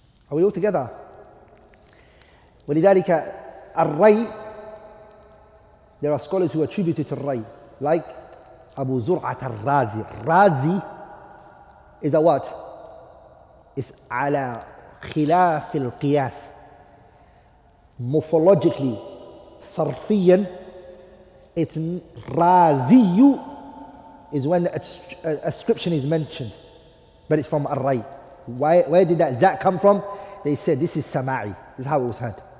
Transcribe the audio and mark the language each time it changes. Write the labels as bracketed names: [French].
[English] Are we all together? [Arabic] ولذلك [English] الري, there are scholars who attribute it to الري, like Abu Zur'at al-Razi. Razi is a what? [Arabic] It's على خلاف القياس. [English] Morphologically, [Arabic] صرفيا, [English] it's رازي is when ascription is mentioned, but it's from الري. Where did that come from? They said, this is Sama'i. This is how it was heard.